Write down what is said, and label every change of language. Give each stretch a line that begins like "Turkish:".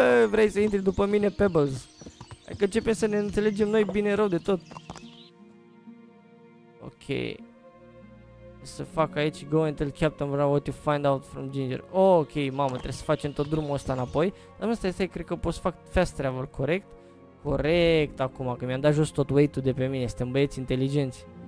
Romanian: Vrei să intri după mine, Pebbles? Hai că începem să ne înțelegem noi bine rău de tot. Ok. Să fac aici,
English: go and tell Captain Brown what you find out from Ginger.
Romanian: Ok, mamă, trebuie să facem tot drumul ăsta înapoi. Dar asta este, cred că pot să fac fast travel, corect? Corect, acum, că mi-am dat jos tot weight-ul de pe mine. Suntem băieți inteligenți.